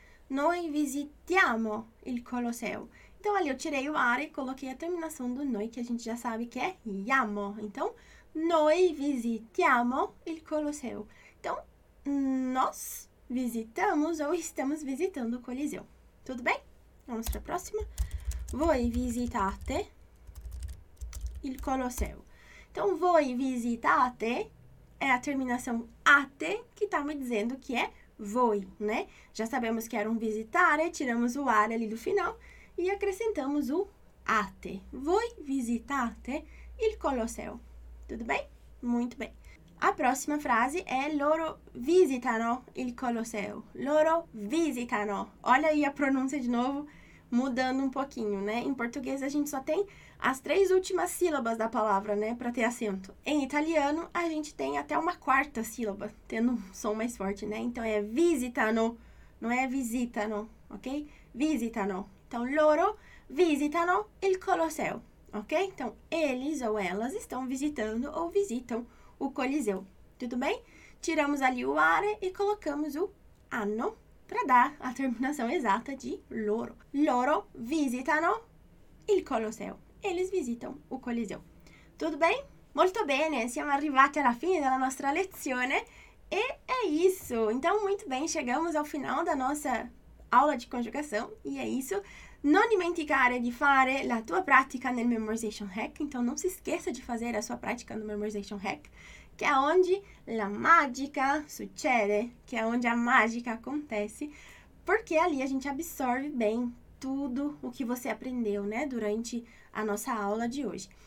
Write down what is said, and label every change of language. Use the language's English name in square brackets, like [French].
[Italian] Noi visitiamo il Colosseo. [Portuguese] Então, ali eu tirei o are e coloquei a terminação do noi, que a gente já sabe que é iamo. [Italian] Então, noi visitiamo il Colosseo. [Portuguese] Então, nós visitamos ou estamos visitando o Coliseu. Tudo bem? Vamos para a próxima. [Italian] Voi visitate il Colosseo. [Portuguese] Então, [Italian] voi visitate [Portuguese] é a terminação ate que está me dizendo que é voi, né? Já sabemos que era um visitare, tiramos o are ali do final e acrescentamos o ate. [Italian] Voi visitate il Colosseo. [Portuguese] Tudo bem? Muito bem. A próxima frase é [Italian] loro visitano il Colosseo. [Portuguese] Loro visitano. Olha aí a pronúncia de novo, mudando um pouquinho, né? Em português a gente só tem as três últimas sílabas da palavra, né, para ter acento. Em italiano a gente tem até uma quarta sílaba, tendo um som mais forte, né? Então é visitano, não é visitano, ok? Visitano. [Italian] Então loro visitano il Colosseo, ok? [Portuguese] Então eles ou elas estão visitando ou visitam o Coliseu, tudo bem? Tiramos ali o are e colocamos o anno para dar a terminação exata de loro. [Italian] Loro visitano il Colosseo. [Portuguese] Eles visitam o Coliseu. Tudo bem? [Italian] Molto bene, siamo arrivati alla fine della nostra lezione. [Portuguese] E é isso. Então, muito bem, chegamos ao final da nossa aula de conjugação. E é isso. [Italian] Non dimenticare di fare la tua pratica nel Memorization Hack. [Portuguese] Então, não se esqueça de fazer a sua prática no Memorization Hack, que é onde [Italian] la magica succede, [Portuguese] que é onde a mágica acontece, porque ali a gente absorve bem tudo o que você aprendeu, né, durante a nossa aula de hoje.